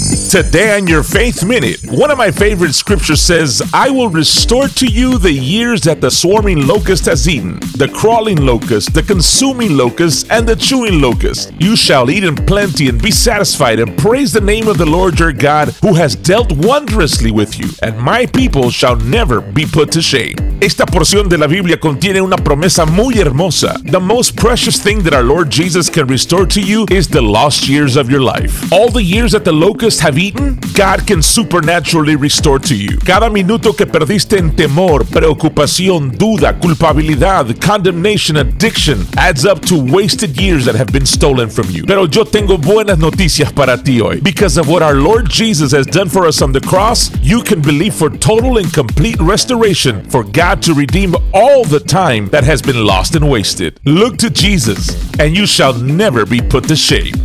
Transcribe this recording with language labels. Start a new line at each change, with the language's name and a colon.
English: Today on Your Faith Minute, one of my favorite scriptures says, I will restore to you the years that the swarming locust has eaten, the crawling locust, the consuming locust, and the chewing locust. You shall eat in plenty and be satisfied and praise the name of the Lord your God who has dealt wondrously with you, and my people shall never be put to shame.
Spanish: Esta porción de la Biblia contiene una promesa muy hermosa.
English: The most precious thing that our Lord Jesus can restore to you is the lost years of your life. All the years that the locusts have eaten, God can supernaturally restore to you.
Spanish: Cada minuto que perdiste en temor, preocupación, duda, culpabilidad,
English: condemnation, addiction, adds up to wasted years that have been stolen from you.
Spanish: Pero yo tengo buenas noticias para ti hoy.
English: Because of what our Lord Jesus has done for us on the cross, you can believe for total and complete restoration for God to redeem all the time that has been lost and wasted. Look to Jesus, and you shall never be put to shame.